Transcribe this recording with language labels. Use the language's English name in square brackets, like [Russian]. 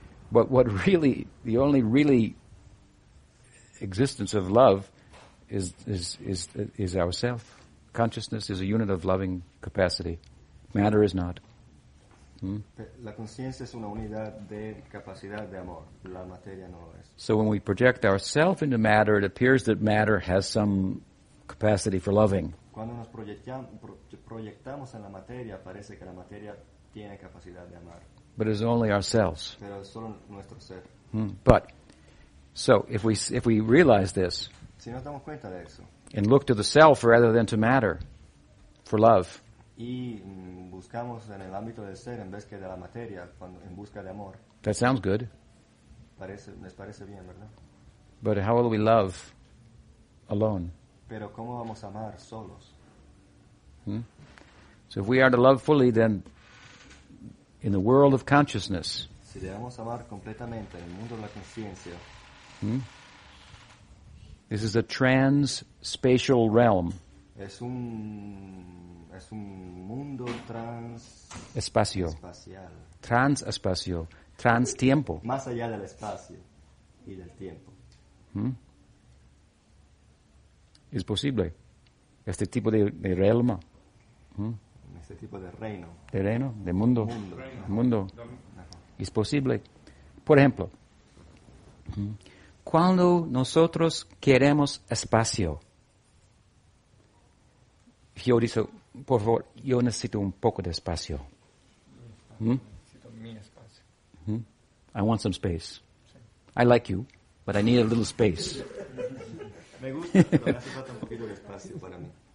[English] But what really, the only really existence of love is ourself. Consciousness is a unit of loving capacity. Matter is not. [Spanish] La conciencia es una unidad de capacidad de amor. La materia no lo es. [English] So when we project ourselves into matter, it appears that matter has some capacity for loving. [Spanish] Cuando nos proyectamos en la materia, parece que la materia tiene capacidad de amar. [English] But it's only ourselves. [Spanish] Pero es solo nuestro ser. [English] But so if we realize this, [Spanish] si nos damos cuenta de eso, [English] and look to the self rather than to matter for love. [Spanish] Y buscamos en el ámbito del ser en vez que de la materia, cuando, en busca de amor. [English] That sounds good. [Spanish] Parece, les parece bien, ¿verdad? [English] But how will we love alone? [Spanish] Pero ¿cómo vamos a amar solos? [English] So if we are to love fully, then in the world of consciousness. [Spanish] Si debemos amar completamente en el mundo de la conciencia. [English] This is a trans-spatial realm. [Spanish] Es un mundo trans espacio. Espacial. Trans espacio, trans tiempo. Más allá del espacio y del tiempo. ¿Es posible este tipo de realma? Este tipo de reino. De reino, de mundo. Mundo. Reino. Mundo. ¿Es posible? Por ejemplo, cuando nosotros queremos espacio, yo digo, por favor, yo necesito un poco de espacio. Necesito mi espacio. [English] I want some space. Sí. I like you, but I need a little space. [Spanish] Me gusta, pero hace falta un poquito de espacio para mí.